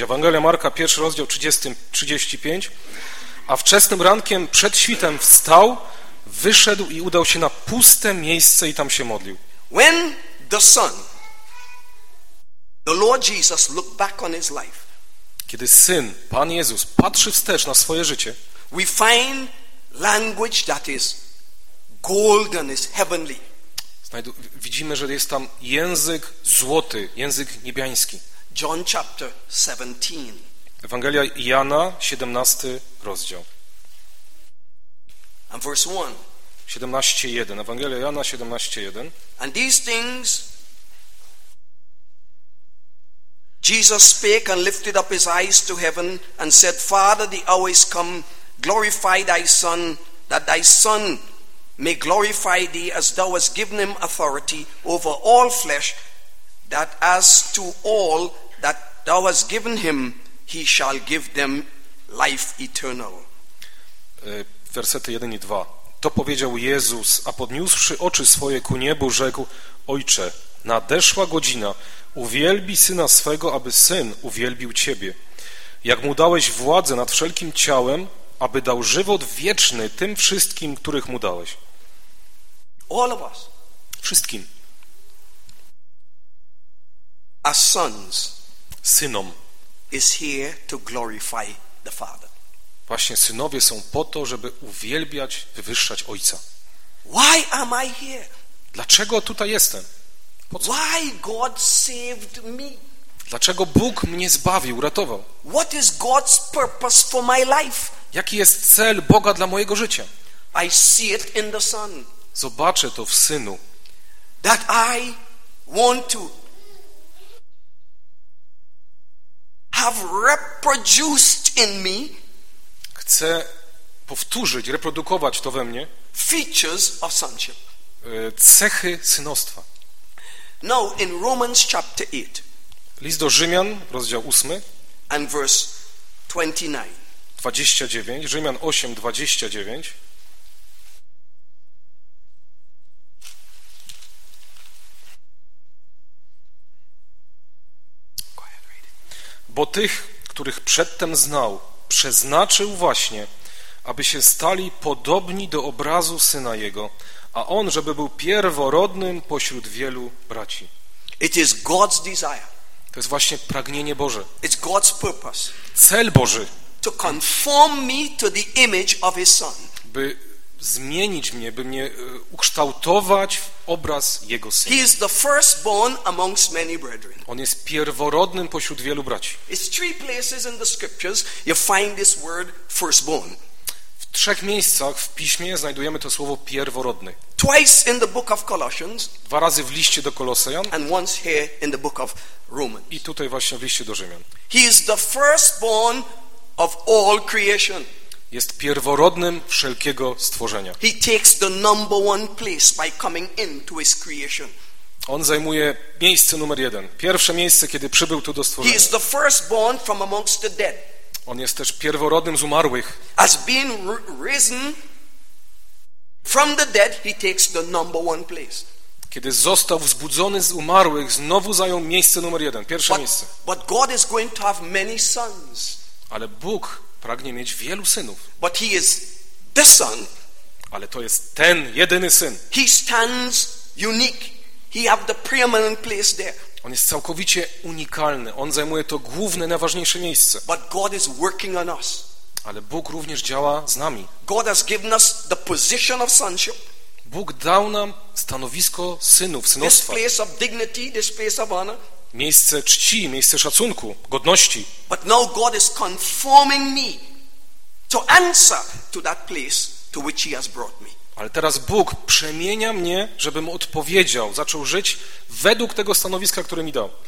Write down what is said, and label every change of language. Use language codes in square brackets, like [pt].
[pl] Ewangelia Marka, pierwszy rozdział, 35. A wczesnym rankiem, przed świtem wstał, wyszedł i udał się na puste miejsce i tam się modlił. [en] When the Son, the Lord Jesus, looked back on his life, [pl] kiedy Syn, Pan Jezus, patrzy wstecz na swoje życie, [en] we find language that is golden, is heavenly. [pl] Widzimy, że jest tam język złoty, język niebiański. [en] John chapter 17. [pl] Ewangelia Jana, 17 rozdział. [en] And verse 1. [pl] 17:1. Ewangelia Jana 17:1. [en] And these things Jesus spake and lifted up his eyes to heaven and said, Father, the hour is come, glorify thy Son, that thy Son may glorify thee, as thou hast given him authority over all flesh, that as to all that thou hast given him, he shall give them life eternal. [pl] Wersety 1 i 2. To powiedział Jezus, a podniósłszy oczy swoje ku niebu, rzekł, Ojcze, nadeszła godzina, uwielbi Syna swego, aby Syn uwielbił Ciebie. Jak Mu dałeś władzę nad wszelkim ciałem, aby dał żywot wieczny tym wszystkim, których Mu dałeś. [en] All of us. [pl] Wszystkim. [en] As sons. [pl] Synom. [en] Is here to glorify the Father. [pl] Właśnie synowie są po to, żeby uwielbiać, wywyższać Ojca. [en] Why am I here? [pl] Dlaczego tutaj jestem? [en] Why God saved me? [pl] Dlaczego Bóg mnie zbawił, uratował? [en] What is God's purpose for my life? [pl] Jaki jest cel Boga dla mojego życia? [en] I see it in the Son. [pl] Zobaczę to w Synu. [en] That I want to have reproduced in me. [pl] Chcę powtórzyć, reprodukować to we mnie. [en] Features of sonship. [pl] Cechy synostwa. [en] No, in Romans chapter 8. [pl] List do Rzymian, rozdział 8. [en] And verse 29. [pl] 29. Rzymian 8, 29. [en] Go ahead, read it. [pl] Bo tych, których przedtem znał, przeznaczył właśnie, aby się stali podobni do obrazu Syna Jego, a on, żeby był pierworodnym pośród wielu braci. [en] It is God's desire. [pl] To jest właśnie pragnienie Boże. [en] It's God's purpose. [pl] Cel Boży. [en] To conform me to the image of his Son. [pl] By zmienić mnie, by mnie ukształtować w obraz Jego Syna. [en] He is the firstborn amongst many brethren. [pl] On jest pierworodnym pośród wielu braci. [en] It's three places in the scriptures you find this word firstborn. [pl] W trzech miejscach w Piśmie znajdujemy to słowo pierworodny. [en] Twice in the book of Colossians. [pl] Dwa razy w liście do Kolosejan. [en] And once here in the book of Romans. [pl] I tutaj właśnie w liście do Rzymian. [en] He is the firstborn of all creation. [pl] Jest pierworodnym wszelkiego stworzenia. [en] He takes the number one place by coming into his creation. [pl] On zajmuje miejsce numer jeden. Pierwsze miejsce, kiedy przybył tu do stworzenia. [en] He is the firstborn from amongst the dead. [pl] On jest też pierworodnym z umarłych. [en] As being risen from the dead, he takes the number one place. [pl] Kiedy został wzbudzony z umarłych, znowu zajął miejsce numer jeden, pierwsze miejsce. [en] But God is going to have many sons. [pl] Ale Bóg pragnie mieć wielu synów. [en] But he is the Son. [pl] Ale to jest ten jedyny Syn. [en] He stands unique. He have the preeminent place there. [pl] On jest całkowicie unikalny. On zajmuje to główne, najważniejsze miejsce. [en] But God is working on us. [pl] Ale Bóg również działa z nami. [en] God has given us the position of sonship. [pl] Bóg dał nam stanowisko synów, synostwa. [en] This place of dignity, this place of honor. [pl] Miejsce czci, miejsce szacunku, godności. [en] But now God is conforming me. to answer to that place to which he has brought me. [pl] Ale teraz Bóg przemienia mnie, żebym odpowiedział, zaczął żyć według tego stanowiska, które mi dał.